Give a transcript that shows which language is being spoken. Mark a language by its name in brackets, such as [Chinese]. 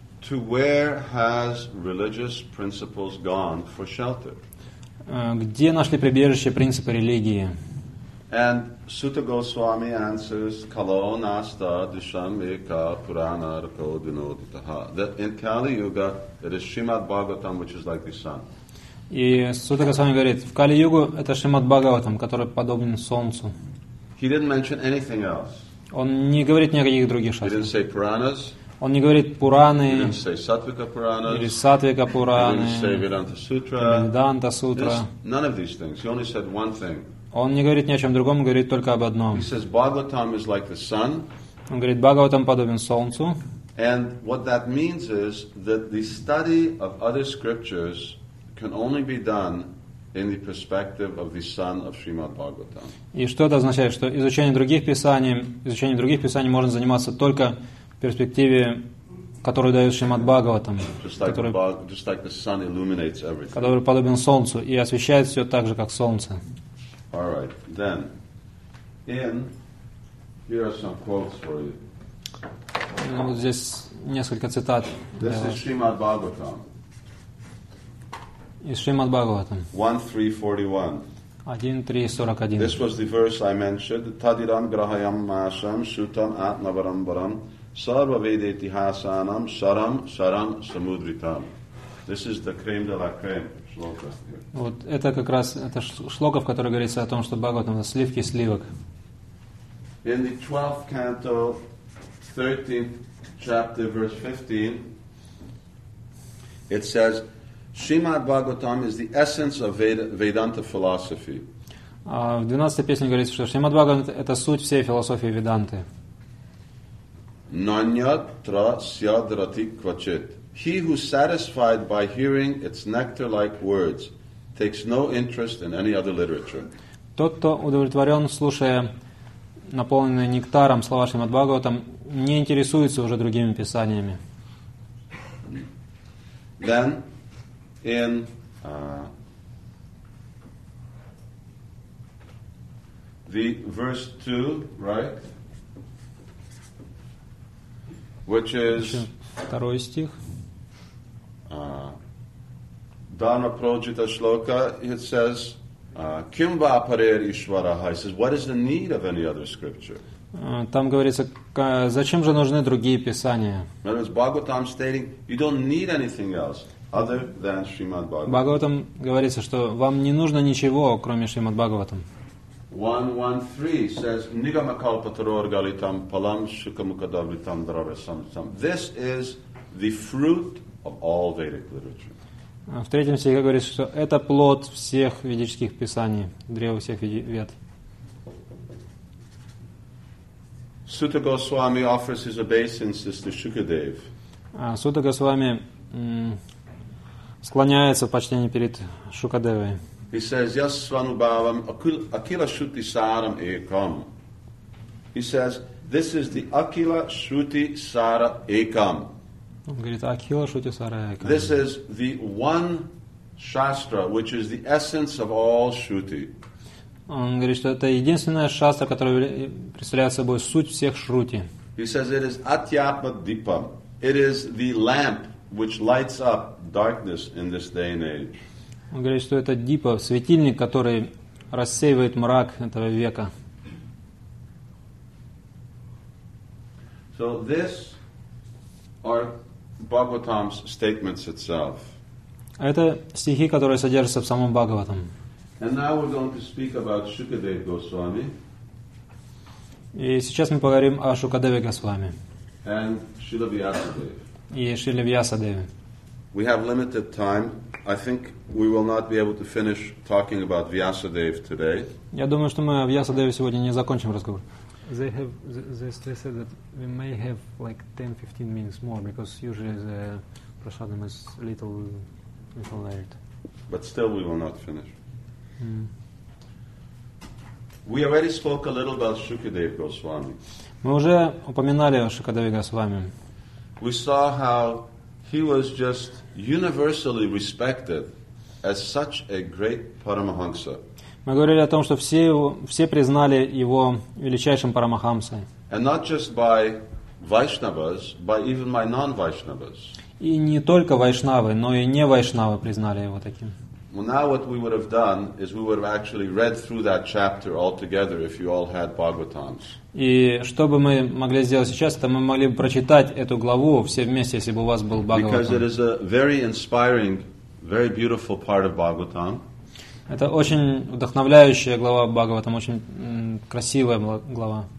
[English] To where has religious principles gone for shelter? [Russian] Где нашли прибежище принципы религии? [English] And Sutta Goswami answers, [Sanskrit] Kalo nasta disham eka purana rako dinoditaha. [English] That in Kali Yuga it is Shrimad Bhagavatam, which is like the sun. [Russian] И Сута Госвами говорит, в Кали-Югу это Шримад Бхагаватам, который подобен Солнцу. [English] He didn't mention anything else. [Russian] Он не говорит ни о каких других шастрах. [English] He didn't say Puranas. [Russian] Он не говорит Пураны. [English] He didn't say Саттвика Пуранас. [Russian] Или Саттвика Пураны. [English] He didn't say Vedanta Sutra. Vedanta Sutra. None of these things. He only said one thing. [Russian] Он не говорит ни о чем другом, он говорит только об одном. [English] He says Bhagavatam is like the sun. [Russian] Он говорит, Бхагаватам подобен Солнцу. [English] And what that means is that the study of other scriptures can only be done in the perspective of the sun of Shrimad Bhagavatam. [Russian] И что это означает, что изучение других писаний можно заниматься только в перспективе, которую дает Шримад Бхагаватам, который подобен солнцу и освещает все так же, как солнце. [English] All right. Then, here are some quotes for you. [Russian] Вот здесь несколько цитат. [English] This is Shrimad Bhagavatam. [Russian] Из Шримад Бхагаватам. [English] 1.3.41. This was the verse I mentioned. [Sanskrit] Tadiram grahayam masam sutam atnavaram varam sarva vedeti hasanam saram saram samudritam. [English] This is the creme de la creme shloka. [Russian] Вот это как раз это шлока, в которой говорится о том, что Бхагаватам это сливки сливок. [English] In the 12th canto, 13th chapter, verse 15, it says Shrimad Bhagavatam is the essence of Vedanta philosophy. [Russian] В 12-й песне говорится, что Шримад Бхагаватам это суть всей философии Веданты. [Sanskrit] Nanyatra syadrati kvachit. [English] He who satisfied by hearing its nectar-like words takes no interest in any other literature. [Russian] Тот, кто удовлетворен, слушая наполненные нектаром слова Шримад Бхагаватам, не интересуется уже другими писаниями. [English] Then the verse 2, right? Which is [Russian] второй стих. [Sanskrit] Dharma Projita Shloka, [English] it says, [Sanskrit] Kimba Parer Ishwaraha. [English] It says, what is the need of any other scripture? [Russian] Там говорится, зачем же нужны другие писания? [English] In other words, Bhagavatam stating, you don't need anything else. Other than Shrimad Bhagavatam. [Russian] Бхагаватам говорится, что вам не нужно ничего, кроме Шримад Бхагаватам. [Sanskrit] 1.1.3 says Nigama Kalpataror Galitam Palam Shukamukadavritam Dravasam Sam. [English] This is the fruit of all Vedic literature. [Russian] В третьем стихе говорится, что это плод всех ведических писаний, древо всех вед. [English] Sutta Goswami offers his obeisances to Shukadev. [Russian] Sutta Goswami склоняется в почтении перед Шукадевой. [English] He says, yes, [Sanskrit] Svanubhavam, akila shruti saram ekam. [English] He says, this is the [Sanskrit] akila shruti sara ekam. [Russian] Он говорит, [Sanskrit] akila shruti sara ekam. [English] This is the one shastra, which is the essence of all shruti. [Russian] Он говорит, что это единственная шастра, которая представляет собой суть всех шрути. [English] He says, it is [Sanskrit] atyatma dipam. [English] It is the lamp which lights up darkness in this day and age. [Russian] Он говорит, что это дипа, светильник, который рассеивает мрак этого века. [English] So this are Bhagavatam's statements itself. [Russian] Это стихи, которые содержатся в самом Бхагаватам. [English] And now we're going to speak about Shukadev Goswami. [Russian] И сейчас мы поговорим о Шукадеве Госвами. And Шрила Вьясадеве. И Шрила Вьясадеве. [English] We have limited time. I think we will not be able to finish talking about Vyasadeva today. [Russian] Я думаю, что мы о Вьясадеве сегодня не закончим разговор. [English] They said that we may have like 10-15 minutes more because usually the prasadam is little late. But still we will not finish. Mm. We already spoke a little about Shukadev Goswami. [Russian] Мы уже упоминали о Шукадеве Госвами. [English] We saw how he was just universally respected as such a great Paramahansa. [Russian] Мы говорили о том, что все признали его величайшим Парамахамсой. [English] And not just by Vaishnavas, by even my non-Vaishnavas. [Russian] И не только Вайшнавы, но и не Вайшнавы признали его таким. [English] Well, now what we would have done is we would have actually read through that chapter altogether if you all had Bhagavatams. [Russian] И что бы мы могли сделать сейчас, это мы могли бы прочитать эту главу все вместе, если бы у вас был Бхагаватам. [English] Because it is a very inspiring, very beautiful part of Bhagavatam. [Russian] Это очень вдохновляющая глава Бхагаватам, очень красивая глава.